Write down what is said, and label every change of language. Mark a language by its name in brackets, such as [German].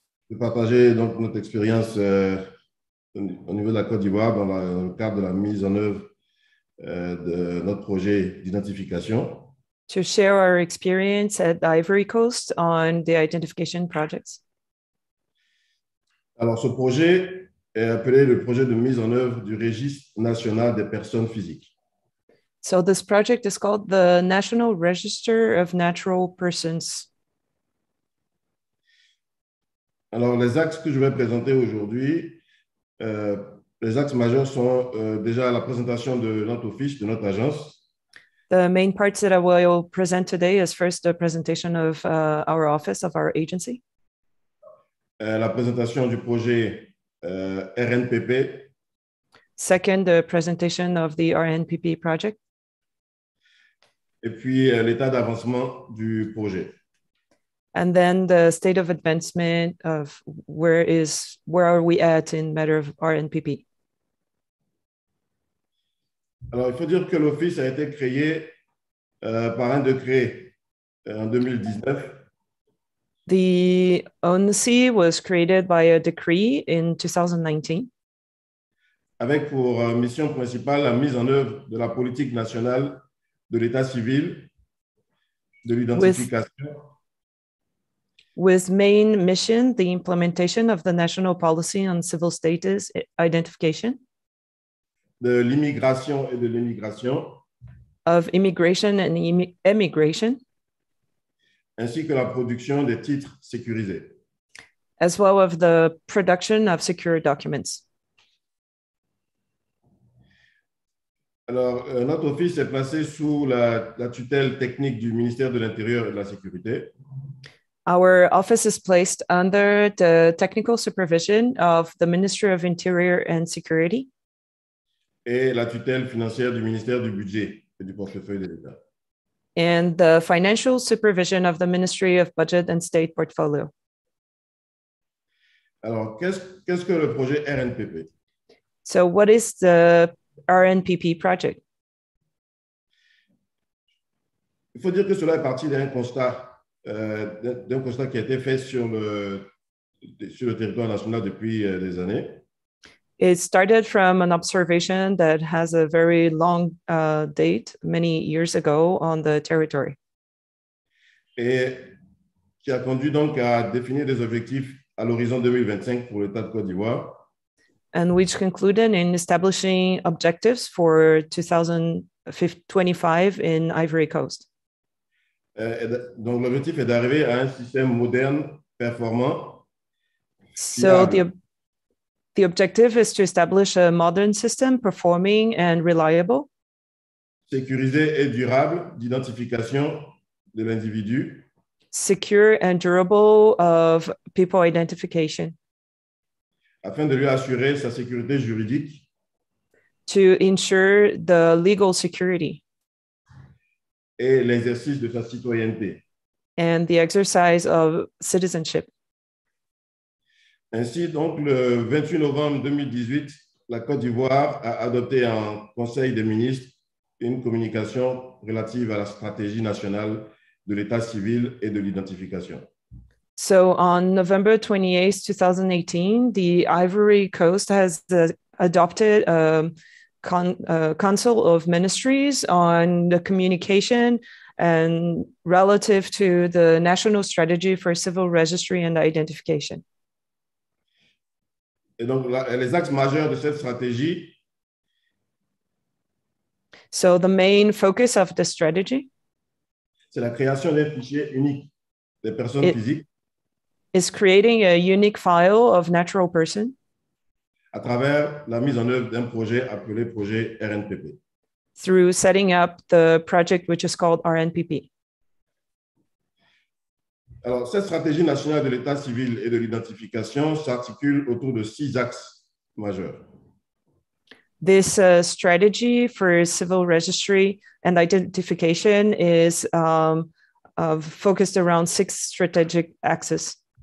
[French] De partager donc notre expérience au niveau de la Côte d'Ivoire dans le cadre de la mise en œuvre de notre projet d'identification. [English] To share our experience at Ivory Coast on the identification projects. [French] Alors, ce projet est appelé le projet de mise en œuvre du registre national des personnes physiques. [English] So this project is called the National Register of Natural Persons. [French] Alors, les axes que je vais présenter aujourd'hui Les axes majeurs sont déjà la présentation de notre office, de notre agence. [English] The main parts that I will present today is first the presentation of our office, of our agency. [French] La présentation du projet RNPP. [English] Second, the presentation of the RNPP project. [French] Et puis l'état d'avancement du projet. [English] And then the state of advancement of where are we at in matter of RNPP. [French] Alors, il faut dire que l'office a été créé par un décret en 2019. [English] The ONECI was created by a decree in 2019. [French] Avec pour mission principale la mise en œuvre de la politique nationale de l'état civil, de l'identification. [English] With main mission, the implementation of the national policy on civil status identification. [French] De l'immigration et de l'émigration. [English] Of immigration and emigration. [French] Ainsi que la production des titres sécurisés. [English] As well of the production of secure documents. [French] Alors, notre office est placé sous la tutelle technique du ministère de l'Intérieur et de la Sécurité. [English] Our office is placed under the technical supervision of the Ministry of Interior and Security. [French] Et la tutelle financière du ministère du budget et du portefeuille de l'État. [English] And the financial supervision of the Ministry of Budget and State Portfolio. [French] Alors, qu'est-ce que le projet RNPP? [English] So what is the RNPP project? [French] Il faut dire que cela est parti d'un constat qui a été fait sur le territoire national depuis des années. [English] It started from an observation that has a very long date, many years ago, on the territory. [French] Et qui a conduit donc à définir des objectifs à l'horizon 2025 pour l'État de Côte d'Ivoire. [English] And which concluded in establishing objectives for 2025 in Ivory Coast. [French] Donc l'objectif est d'arriver à un système moderne, performant. [English] So the objective is to establish a modern system, performing and reliable. [French] Sécurisé et durable d'identification de l'individu. [English] Secure and durable of people identification. [French] Afin de lui assurer sa sécurité juridique. [English] To ensure the legal security. [French] Et l'exercice de sa citoyenneté. [English] And the exercise of citizenship. [French] Ainsi, donc, le 28 novembre 2018, la Côte d'Ivoire a adopté en Conseil des ministres une communication relative à la stratégie nationale de l'état civil et de l'identification. [English] So, on November 28, 2018, the Ivory Coast has adopted a Council of Ministries on the communication and relative to the National Strategy for Civil Registry and Identification. [French] Et donc, les axes majeurs de cette stratégie. [English] So the main focus of the strategy. [French] C'est la création d'un fichier unique des personnes physiques. [English] Is creating a unique file of natural person. [French] À travers la mise en œuvre d'un projet appelé projet RNPP. [English] Through setting up the project which is called RNPP. [French] Alors, cette stratégie nationale de l'état civil et de l'identification s'articule autour de 6 axes majeurs. [English] This strategy for civil registry and identification is focused around 6 strategic axes.